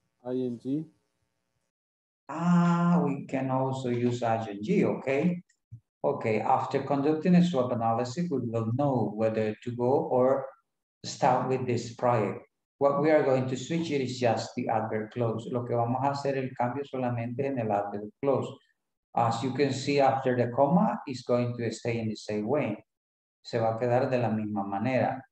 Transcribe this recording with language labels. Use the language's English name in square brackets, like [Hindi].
[English] ING. We can also use ING, okay? Okay, after conducting a swap analysis, we will know whether to go or start with this project. What we are going to switch it is just the adverb clause. [Spanish] Lo que vamos a hacer el cambio solamente en el adverb clause. [English] As you can see, after the comma, it's going to stay in the same way. [Spanish] Se va a quedar de la misma manera.